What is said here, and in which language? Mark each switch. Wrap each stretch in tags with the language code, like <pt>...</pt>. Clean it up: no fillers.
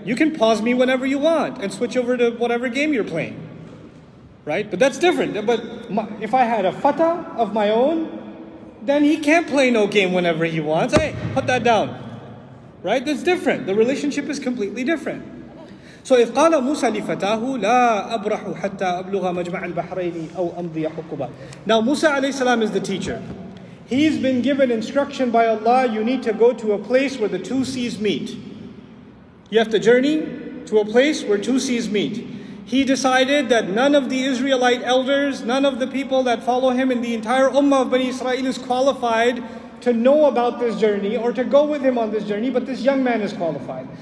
<en>You can pause me whenever you want and switch over to whatever game you're playing, right? But that's different. But if I had a fata of my own, then he can't play no game whenever he wants. Hey, put that down, right? That's different. The relationship is completely different. So if</en> <ar>قَالَ مُوسَى لِفَتَاهُ لَا أَبْرَحُ حَتَّى أَبْلُغَ مَجْمَعَ الْبَحْرَيْنِ أَوْ أَمْضِيَ حُقُبًا.</ar> <en>Now Musa alayhi salam is the teacher. He's been given instruction by Allah, you need to go to a place where the two seas meet. You have to journey to a place where two seas meet. He decided that none of the Israelite elders, none of the people that follow him in the entire ummah of Bani Israel is qualified to know about this journey or to go with him on this journey, but this young man is qualified.</en>